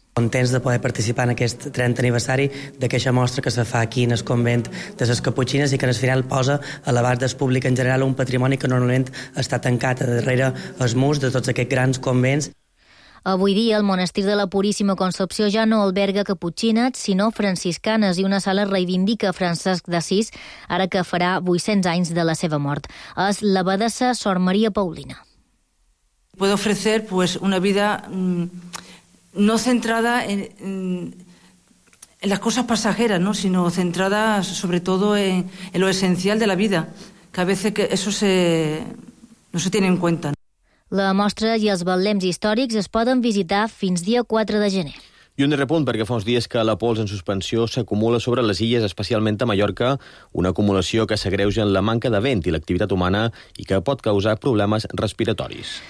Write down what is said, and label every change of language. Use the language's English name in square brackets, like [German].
[Catalan] Contents de poder participar en aquest 30 aniversari d'aquesta mostra que se fa aquí en el convent de les Caputxines i que en el final posa a l'abast del públic en general un patrimoni que normalment està tancat darrere els murs de tots aquests grans convents. Avui dia, el monestir de la Puríssima Concepció ja no alberga caputxines, sinó franciscanes, i una sala reivindica Francesc d'Assís, ara que farà 800 anys de la seva mort. És l'abadessa Sor Maria Paulina. [Spanish] Puedo ofrecer pues, una vida no centrada en las cosas pasajeras, ¿no? Sino centrada sobre todo en lo esencial de la vida, que a veces que eso no se tiene en cuenta. [Catalan] La mostra i els betlems històrics es poden visitar fins dia 4 de gener. I un repunt, perquè fa uns dies que la pols en suspensió s'acumula sobre les illes, especialment a Mallorca, una acumulació que s'agreuja en la manca de vent i l'activitat humana i que pot causar problemes respiratoris.